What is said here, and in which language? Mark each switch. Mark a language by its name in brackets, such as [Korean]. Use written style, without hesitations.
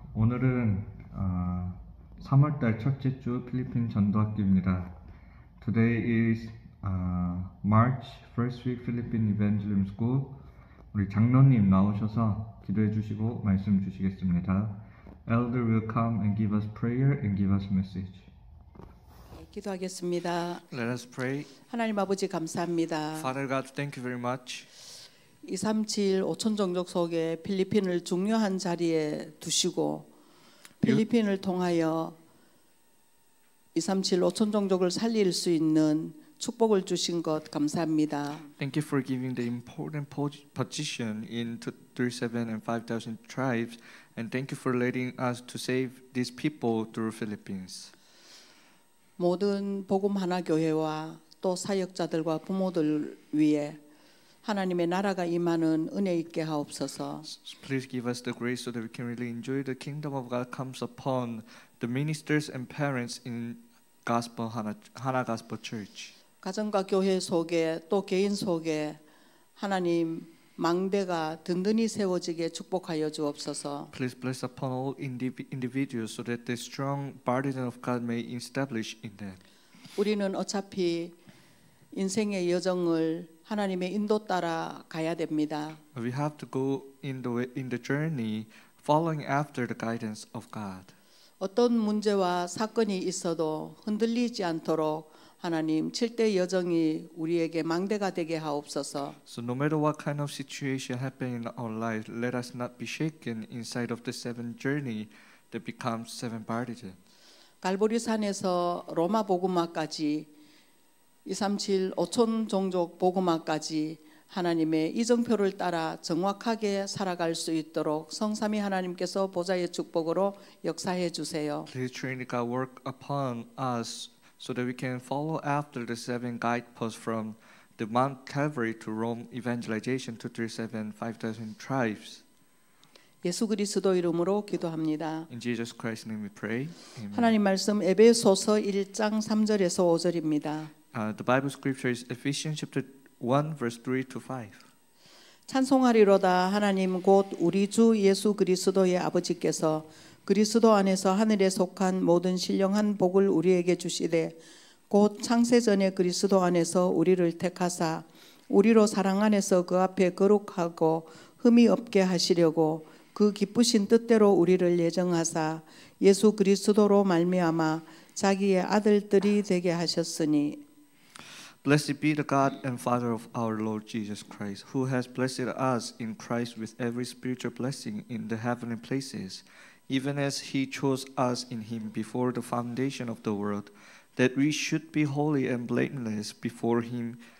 [Korean] 오늘은 3월달 첫째 주 필리핀 전도학교입니다. [English] Today is March first week Philippine Evangelism School. [Korean] 우리 장로님 나오셔서 기도해 주시고 말씀 주시겠습니다. [English] Elder will come and give us prayer and give us message. [Korean] 기도하겠습니다. [English] Let us pray. [Korean] 하나님 아버지 감사합니다. [English] Father God, thank you very much. [Korean] 237 5천 종족 속에 필리핀을 중요한 자리에 두시고 필리핀을 통하여 237 5천 종족을 살릴 수 있는 축복을 주신 것 감사합니다. [English] Thank you for giving the important position in 237 and 5,000 tribes and thank you for letting us to save these people through Philippines. [Korean] 모든 복음 하나 교회와 또 사역자들과 부모들 위해 하나님의 나라가 임하는 은혜 있게 하옵소서. [English] Please give us the grace so that we can really enjoy the kingdom of God comes upon the ministers and parents in Gospel Hana Gospel Church. [Korean] 가정과 교회 속에 또 개인 속에 하나님 망대가 든든히 세워지게 축복하여 주옵소서. [English] Please bless upon all individuals so that the strong burden of God may establish in them. [Korean] 우리는 어차피 인생의 여정을 하나님의 인도 따라 가야 됩니다. [English] We have to go in the journey following after the guidance of God. [Korean] 어떤 문제와 사건이 있어도 흔들리지 않도록 하나님 7대 여정이 우리에게 망대가 되게 하옵소서. [English] So no matter what kind of situation happens in our life, let us not be shaken inside of the seven journey that becomes seven burdens. [Korean] 갈보리 산에서 로마 복음화까지 237 5천 종족 복음화까지 하나님의 이정표를 따라 정확하게 살아갈 수 있도록 성삼위 하나님께서 보좌의 축복으로 역사해 주세요. [English] Please Trinity God work upon us so that we can follow after the seven guideposts from the Mount Calvary to Rome evangelization to 37 5000 tribes. [Korean] 예수 그리스도 이름으로 기도합니다. [English] In Jesus Christ's name we pray. Amen. [Korean] 하나님 말씀 에베소서 1장 3절에서 5절입니다. [English] The Bible scripture is Ephesians chapter 1 verse 3 to 5. [Korean] 찬송하리로다 하나님 곧 우리 주 예수 그리스도의 아버지께서 그리스도 안에서 하늘에 속한 모든 신령한 복을 우리에게 주시되 곧 창세 전에 그리스도 안에서 우리를 택하사 우리로 사랑 안에서 그 앞에 거룩하고 흠이 없게 하시려고 그 기쁘신 뜻대로 우리를 예정하사 예수 그리스도로 말미암아 자기의 아들들이 되게 하셨으니 [English] Blessed be the God and Father of our Lord Jesus Christ, who has blessed us in Christ with every spiritual blessing in the heavenly places, even as he chose us in him before the foundation of the world, that we should be holy and blameless before him.